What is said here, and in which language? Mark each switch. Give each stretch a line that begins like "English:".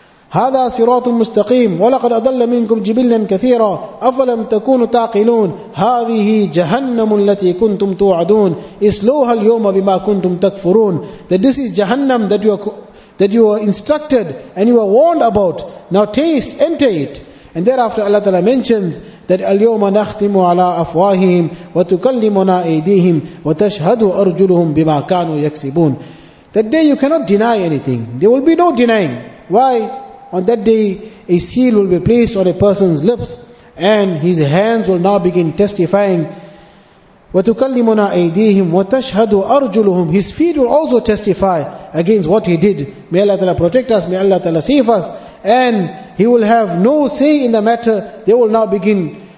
Arabic: هذا صراط مستقيم ولقد أضل منكم جبلا كثيرا أفلم تكونوا تعقلون هذه جهنم التي كنتم توعدون اسلوها اليوم بما كنتم تكفرون.
English: That this is Jahannam that you were instructed and you were warned about. Now taste, enter it. And thereafter Allah Ta'ala mentions that
Arabic: اليوم نختم على أفواههم وتكلمنا أيديهم وتشهد أرجلهم بما كانوا يكسبون.
English: That day you cannot deny anything. There will be no denying. Why? On that day, a seal will be placed on a person's lips, and his hands will now begin testifying.
Arabic: وَتُكَلِّمُنَا أَيْدِيهِمْ وَتَشْهَدُ أَرْجُلُهُمْ.
English: His feet will also testify against what he did. May Allah Ta'ala protect us, may Allah Ta'ala save us. And he will have no say in the matter. They will now begin